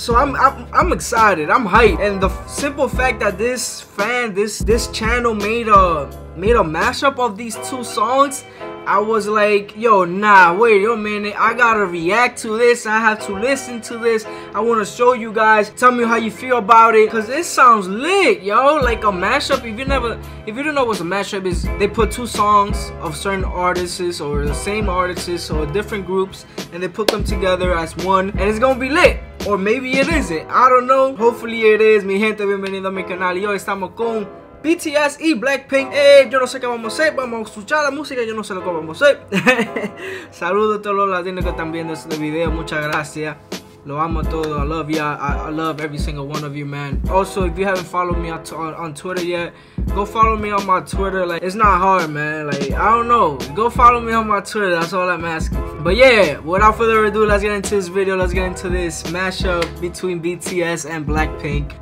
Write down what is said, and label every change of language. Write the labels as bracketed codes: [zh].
[en] So I'm excited. I'm hyped. And the simple fact that this fan, this channel made a mashup of these two songs, I was like, yo, nah, wait a minute, I gotta react to this, I have to listen to this, I wanna show you guys, tell me how you feel about it, cause it sounds lit, yo, like a mashup. If you don't know what a mashup is, they put two songs of certain artists, or the same artists, or different groups, and they put them together as one, and it's gonna be lit. Or maybe it isn't, I don't know, hopefully it is. [es] Mi gente, bienvenido a mi canal, yo, estamos con BTS y Blackpink. Yo no sé qué vamos a hacer. Vamos a escuchar la música. Yo no sé lo que vamos a hacer. Saludos a todos los latinos que están viendo este video. Muchas gracias. Lo amo todo. [en] I love ya. I love every single one of you, man. Also, if you haven't followed me on Twitter yet, go follow me on my Twitter. Like, it's not hard, man. Like, I don't know. Go follow me on my Twitter. That's all I'm asking. But yeah, without further ado, let's get into this video. Let's get into this mashup between BTS and Blackpink.